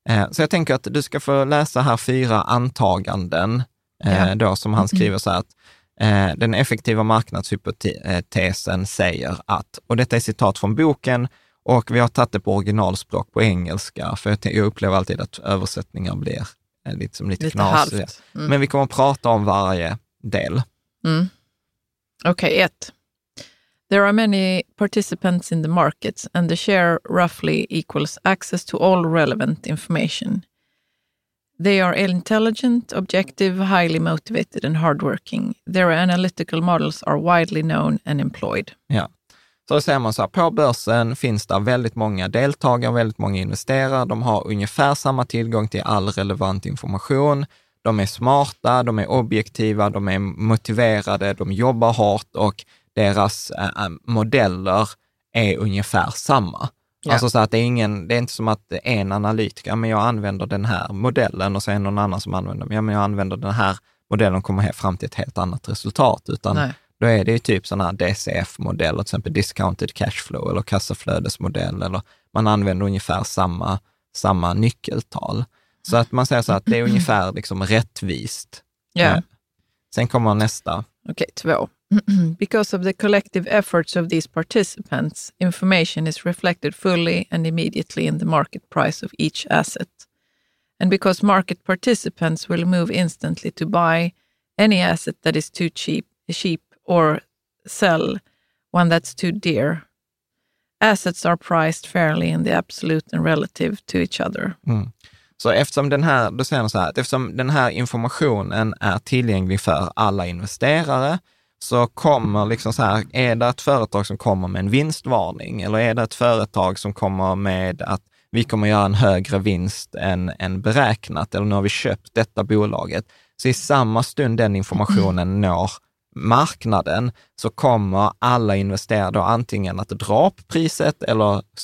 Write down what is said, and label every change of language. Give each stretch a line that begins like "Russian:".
Swedish: Så jag tänker att du ska få läsa här fyra antaganden då, som han skriver så här, att den effektiva marknadshypotesen säger att, och detta är citat från boken, och vi har tagit det på originalspråk på engelska, för jag upplever alltid att översättningar blir lite knasigt. Men vi kommer att prata om varje del. Okay, ett.
English: There are many participants in the markets and the share roughly equals access to all relevant information. They are intelligent, objective, highly motivated and hardworking. Their analytical models are widely known and employed.
Swedish: Ja. Så då ser man så här, på börsen finns det väldigt många deltagare, väldigt många investerare. De har ungefär samma tillgång till all relevant information. De är smarta, de är objektiva, de är motiverade, de jobbar hårt och deras modeller är ungefär samma. Ja. Alltså så att det är inte som att en analytiker, men jag använder den här modellen, och så är någon annan som använder, men jag använder den här modellen och kommer fram till ett helt annat resultat. Utan nej. Då är det ju typ sådana här DCF-modeller, till exempel discounted cashflow eller kassaflödesmodell, eller man använder ungefär samma nyckeltal. Så att man säger så att det är ungefär liksom rättvist.
English: Yeah.
Swedish: Sen kommer nästa. Okej, två.
English: Because of the collective efforts of these participants, information is reflected fully and immediately in the market price of each asset. And because market participants will move instantly to buy any asset that is too cheap or sell one that's too dear. Assets are priced fairly in the absolute and relative to each other. Mm.
Swedish: Så eftersom den här, då säger så här, eftersom den här informationen är tillgänglig för alla investerare, så kommer liksom så här, är det ett företag som kommer med en vinstvarning, eller är det ett företag som kommer med att vi kommer göra en högre vinst än beräknat, eller nu har vi köpt detta bolaget, så i samma stund den informationen når marknaden, så kommer alla investerare då antingen att dra upp priset eller